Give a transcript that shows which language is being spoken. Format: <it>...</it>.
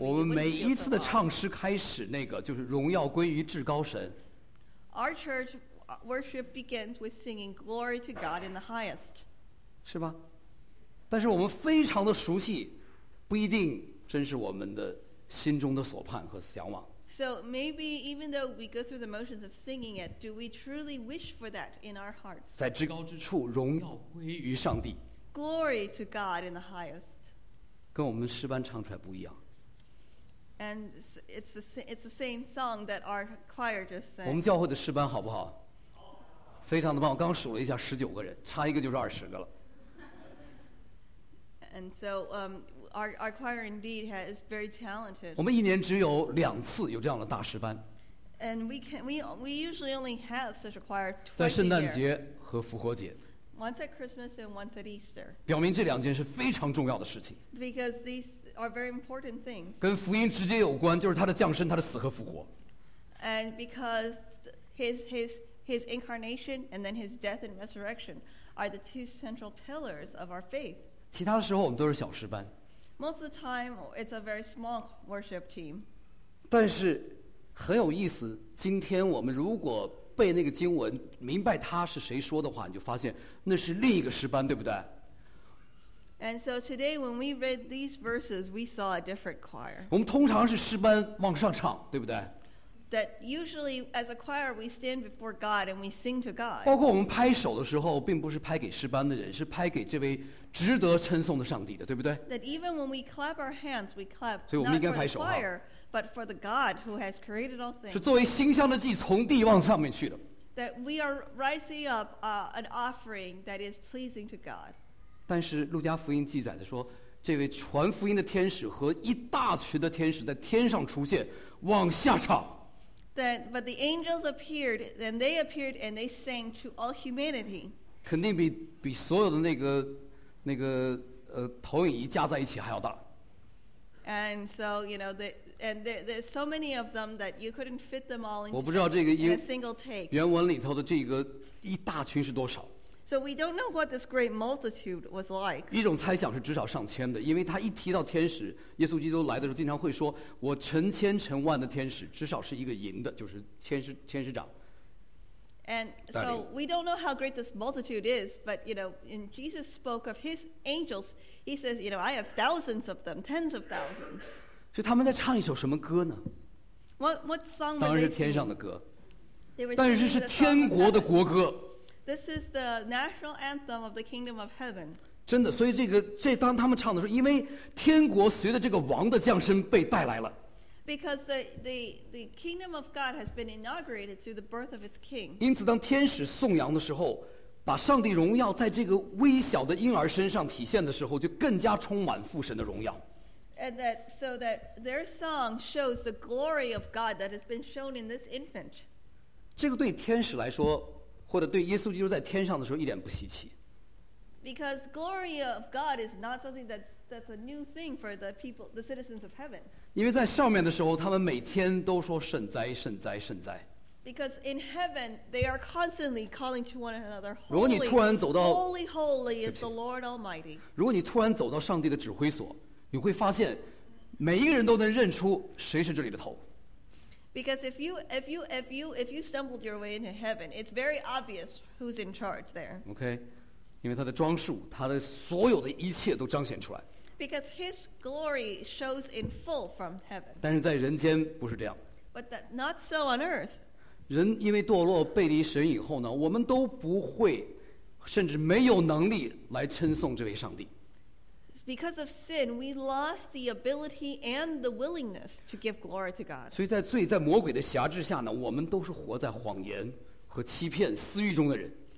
<zh>我们每一次的唱诗开始，那个就是荣耀归于至高神。</zh> <en>Our church worship begins with singing glory to God in the highest.</en> <zh>是吧？但是我们非常的熟悉，不一定真是我们的心中的所盼和向往。</zh> <en>So maybe even though we go through the motions of singing it, do we truly wish for that in our hearts?</en> <zh>在至高之处，荣耀归于上帝。</zh> <en>Glory to God in the highest.</en> <zh>跟我们诗班唱出来不一样。</zh> <en>And it's the same song that our choir just sang.</en> <zh>我们教会的诗班好不好？非常的棒，我刚数了一下，19个人，差一个就是20个了。</zh> <en>And so, our choir indeed is very talented.</en> <zh>我们一年只有两次有这样的大师班。</zh> <en>And we usually only have such a choir twice a year.</en> <zh>在圣诞节和复活节。</zh> <en>Once at Christmas and once at Easter.</en> <zh>表明这两件是非常重要的事情。</zh> <en>Because these are very important things.</en> <zh>跟福音直接有关，就是他的降生、他的死和复活。</zh> <en>And because his incarnation and then his death and resurrection are the two central pillars of our faith.</en> <zh>其他的时候我们都是小诗班。</zh> <en>Most of the time, it's a very small worship team.</en> <zh>但是很有意思，今天我们如果背那个经文，明白他是谁说的话，你就发现那是另一个诗班，对不对？</zh> <en>And so today when we read these verses, we saw a different choir.</en> <zh>我们通常是诗班往上唱，对不对？</zh> <en>That usually as a choir, we stand before God and we sing to God.</en> <zh>包括我们拍手的时候，并不是拍给诗班的人，是拍给这位值得称颂的上帝的，对不对？</zh> <en>That even when we clap our hands, we clap.</en> <zh>所以我们应该拍手哈。</zh> <en>But for the God who has created all things.</en> <zh>是作为馨香的祭从地往上面去的。</zh> <en>That we are rising up an offering that is pleasing to God.</en> <zh>但是路加福音记载的说，这位传福音的天使和一大群的天使在天上出现，往下唱。</zh> <en>That but the angels appeared, then they appeared and they sang to all humanity.</en> <zh>肯定比所有的那个投影仪加在一起还要大。</zh> <en>And so you know that. And there's so many of them that you couldn't fit them all into a single take.</en> <zh>原文里头的这个一大群是多少？</zh> <en>So we don't know what this great multitude was like.</en> <zh>一种猜想是至少上千的，因为他一提到天使，耶稣基督来的时候经常会说，我成千成万的天使，至少是一个营的，就是天使长。</zh> <en>And so we don't know how great this multitude is, but you know, when Jesus spoke of his angels, he says, you know, I have thousands of them, tens of thousands.</en> <zh>所以他们在唱一首什么歌呢？</zh> <en>What song were they?</en> <zh>当然是天上的歌。</zh> <en>They were singing the song of heaven.</en> <zh>但是是天国的国歌。</zh> <en>This is the national anthem of the kingdom of heaven.</en> <zh>真的，所以这当他们唱的时候，因为天国随着这个王的降生被带来了。</zh> <en>Because the kingdom of God has been inaugurated through the birth of its king.</en> <zh>因此，当天使颂扬的时候，把上帝荣耀在这个微小的婴儿身上体现的时候，就更加充满父神的荣耀。</zh> <en>And that so that their song shows the glory of God that has been shown in this infant.</en> <zh>这个对天使来说，或者对耶稣基督在天上的时候一点不稀奇。</zh> <en>Because glory of God is not something that's a new thing for the people, the citizens of heaven.</en> <zh>因为在上面的时候，他们每天都说圣哉，圣哉，圣哉。</zh> <en>Because in heaven they are constantly calling to one another, holy.</en> <zh>如果你突然走到</zh> <en>holy, holy is the Lord Almighty.</en> <zh>如果你突然走到上帝的指挥所，你会发现，每一个人都能认出谁是这里的头。</zh> <en>Because if you stumbled your way into heaven, it's very obvious who's in charge there. Okay,</en> <zh>因为他的装束，他的所有的一切都彰显出来。</zh> <en>Because his glory shows in full from heaven.</en> <zh>但是在人间不是这样。</zh> <en>But that not so on earth.</en> <zh>人因为堕落背离神以后呢，我们都不会，甚至没有能力来称颂这位上帝。</zh> <en>Because of sin, we lost the ability and the willingness to give glory to God.</en> <zh>所以在罪在魔鬼的辖制下呢，我们都是活在谎言和欺骗私欲中的人。</zh>